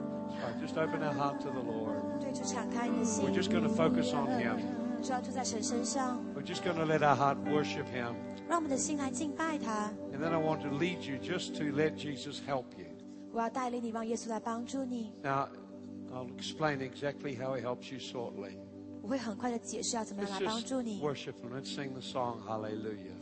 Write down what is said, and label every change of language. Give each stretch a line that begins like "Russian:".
English: So just open our heart to the Lord. We're just going to focus on Him, we're just going to let our heart worship Him.
Chinese: 让我们的心来敬拜他。
English: And then I want to lead you just to let Jesus help you.
Chinese: 我要带领你，让耶稣来帮助你。
English: Now, I'll explain exactly how he helps you shortly.
Chinese: 我会很快的解释要怎么样来帮助你。
English: Let's worship and let's sing the song Hallelujah.